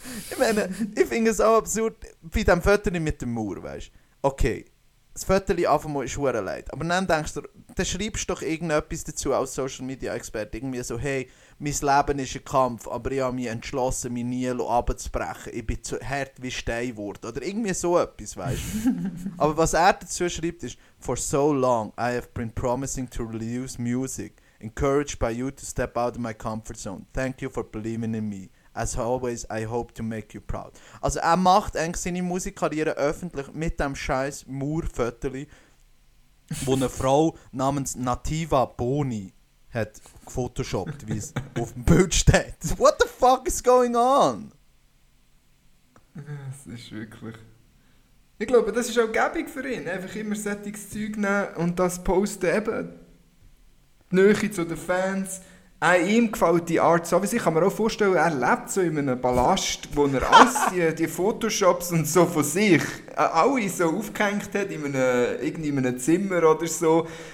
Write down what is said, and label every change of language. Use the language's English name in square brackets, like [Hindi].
[German] Ich meine, ich finde es auch absurd, bei diesem Foto mit dem Mauer, weisst du. Okay, das Foto auf einmal ist sehr leid. Aber dann denkst du, dann schreibst du doch irgendetwas dazu als Social Media Experte. Irgendwie so, hey, mein Leben ist ein Kampf, aber ich habe mich entschlossen, mich nie runterzubrechen. Ich bin zu hart wie Stein geworden. Oder irgendwie so etwas, weißt du? Aber was er dazu schreibt, ist: [English] For so long, I have been promising to release music, encouraged by you to step out of my comfort zone. Thank you for believing in me. As always, I hope to make you proud. [German] Also, er macht eigentlich seine Musikkarriere öffentlich mit dem scheiß Mauerfoto, wo eine Frau namens Nativa Boni hat gefotoshoppt, wie es auf dem Bild steht. [English] What the fuck is going on? [German] Es ist wirklich... Ich glaube, das ist auch gäbig für ihn. Einfach immer solches Zeug nehmen und das posten eben. Die Nähe zu den Fans. Auch ihm gefällt die Art so, wie sich kann mir auch vorstellen, er lebt so in einem Palast, wo er alles die Photoshops und so von sich alle so aufgehängt hat, in einem Zimmer oder so.